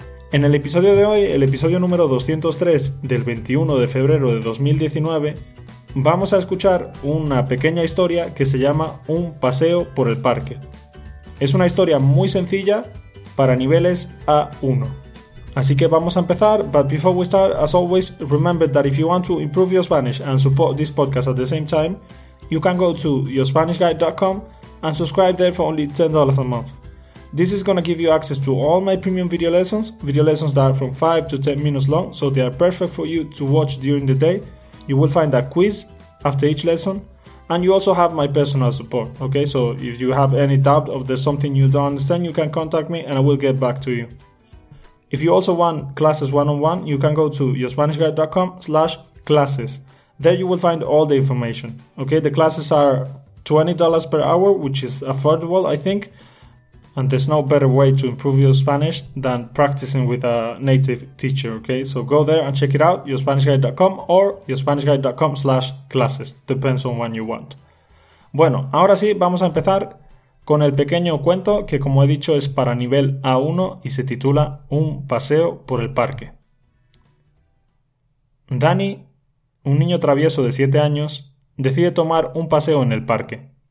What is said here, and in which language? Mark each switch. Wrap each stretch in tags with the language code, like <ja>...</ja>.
<es>En el episodio de hoy, el episodio número 203 del 21 de febrero de 2019, vamos a escuchar una pequeña historia que se llama Un paseo por el parque. Es una historia muy sencilla para niveles A1. Así que vamos a empezar,</es> <en>but before we start, as always, remember that if you want to improve your Spanish and support this podcast at the same time, you can go to yourspanishguide.com and subscribe there for only $10 a month. This is going to give you access to all my premium video lessons that are from 5 to 10 minutes long, so they are perfect for you to watch during the day. You will find a quiz after each lesson, and you also have my personal support, okay? So if you have any doubt of there's something you don't understand, you can contact me and I will get back to you. If you also want classes one-on-one, you can go to yourspanishguide.com/classes. There you will find all the information, okay? The classes are $20 per hour, which is affordable, I think, and there's no better way to improve your Spanish than practicing with a native teacher, okay? So go there and check it out, yourspanishguide.com or yourspanishguide.com/classes. Depends on when you want.</en> <es>Bueno, ahora sí, vamos a empezar con el pequeño cuento que, como he dicho, es para nivel A1 y se titula Un paseo por el parque. Danny, un niño travieso de 7 años, decide tomar un paseo en el parque.</es>